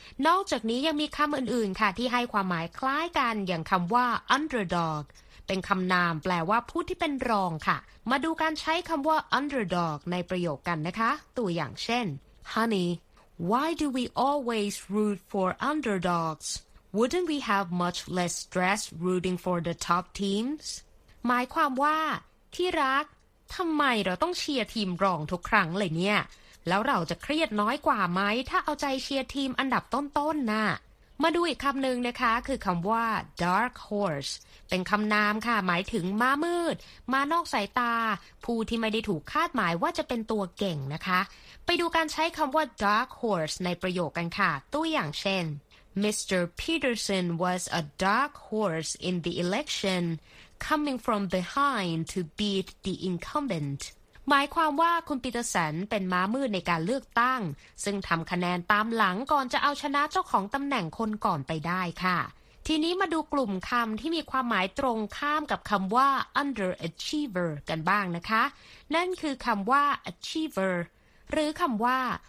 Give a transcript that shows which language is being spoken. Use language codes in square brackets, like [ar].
[th] นอกจากนี้ยังมีคำอื่นๆค่ะที่ให้ความหมายคล้ายกันอย่างคำว่า underdog เป็นคำนามแปลว่าผู้ที่เป็นรองค่ะมาดูการใช้คำว่า underdog ในประโยคกันนะคะตัวอย่างเช่น [en] Honey, why do we always root for underdogs? Wouldn't we have much less stress rooting for the top teams? [th] หมายความว่าที่รักทำไมเราต้องเชียร์ทีมรองทุกครั้งเลยเนี่ยแล้วเราจะเครียดน้อยกว่าไหมถ้าเอาใจเชียร์ทีมอันดับต้นๆ นะมาดูอีกคำหนึ่งนะคะคือคำว่า dark horse เป็นคำนามค่ะหมายถึงม้ามืดม้านอกสายตาผู้ที่ไม่ได้ถูกคาดหมายว่าจะเป็นตัวเก่งนะคะไปดูการใช้คำว่า dark horse ในประโยคกันค่ะตัวอย่างเช่น Mr. [en] Peterson was a dark horse in the electioncoming from behind to beat the incumbent [th] หมายความว่าคุณปีเตอร์สันเป็นม้ามืดในการเลือกตั้งซึ่งทำคะแนนตามหลังก่อนจะเอาชนะเจ้าของตำแหน่งคนก่อนไปได้ค่ะทีนี้มาดูกลุ่มคำที่มีความหมายตรงข้ามกับคำว่า underachiever กันบ้างนะคะนั่นคือคำว่า achiever หรือคำว่า